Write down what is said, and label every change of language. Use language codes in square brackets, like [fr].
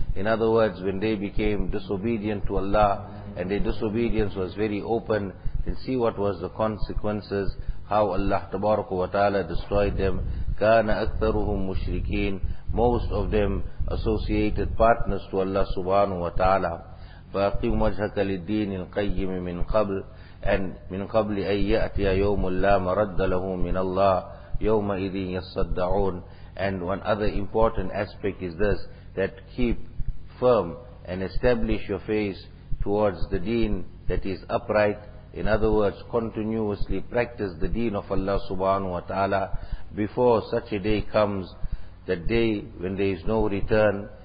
[en] In other words, when they became disobedient to Allah, and their disobedience was very open, then see what was the consequences, how Allah tabaraka wa ta'ala destroyed them. [ar] كَانَ أَكْثَرُهُمْ مُشْرِكِينَ. [en] Most of them associated partners to Allah subhanahu wa ta'ala. [ar] فَأَقِيمْ وَجْهَكَ لِلدِّينِ الْقَيِّمِ مِنْ قَبْلِ. And من قبل أن يأتي يوم لا مرد له من الله يوم إذن يصدعون. [en] And one other important aspect is this, that keep firm and establish your face towards the deen that is upright. In other words, continuously practice the deen of Allah subhanahu wa ta'ala before such a day comes, that day when there is no return.